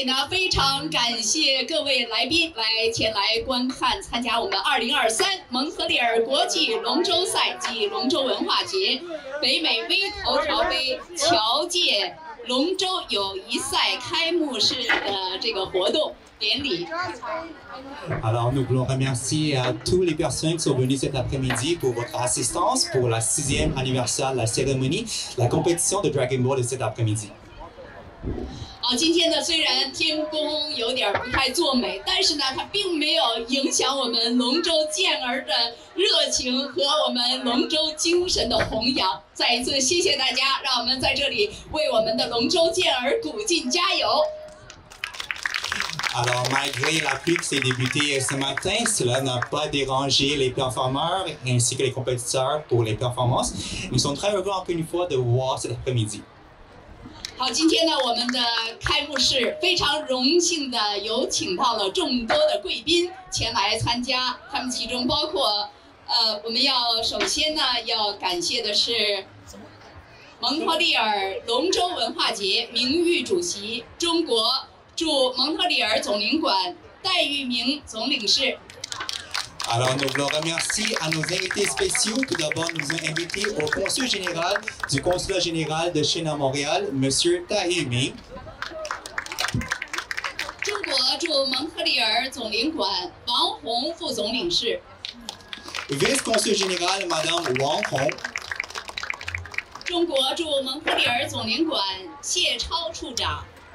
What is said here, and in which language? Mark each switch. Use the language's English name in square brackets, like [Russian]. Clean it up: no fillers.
[Chinese] 非常感谢各位来宾来前来观看参加我们2023蒙特利尔国际龙舟赛暨龙舟文化节北美V头条杯侨界龙舟友谊赛开幕式的这个活动典礼。 [French] Alors, nous voulons remercier à toutes les personnes qui sont venues cet après-midi pour votre assistance pour la 6e anniversaire de la cérémonie, la compétition de Dragon Boat de cet après-midi. [Chinese] 好，今天呢，虽然天公有点不太作美，但是呢，它并没有影响我们龙舟健儿的热情和我们龙舟精神的弘扬。再一次谢谢大家，让我们在这里为我们的龙舟健儿鼓劲加油。 [French] Alors, malgré la pluie qui s'est débutée ce matin, cela n'a pas dérangé les performeurs ainsi que les compétiteurs pour les performances. Nous sommes très heureux encore une fois de vous voir cet après-midi. [Chinese] 好，今天呢，我们的开幕式非常荣幸的有请到了众多的贵宾前来参加，他们其中包括，我们要首先呢要感谢的是蒙特利尔龙舟文化节名誉主席中国。驻蒙特利尔总领馆戴玉明总领事。 [French] Alors, nous voulons remercier à nos invités spéciaux. Tout d'abord, nous avons invité au consul général du consulat général de Chine à Montréal, M. Tai Yuming. [Chinese] 中国驻蒙特利尔总领馆王红副总领事。 [French] Vice-consul général, Mme Wang Hong. [Chinese] 中国驻蒙特利尔总领馆谢超处长。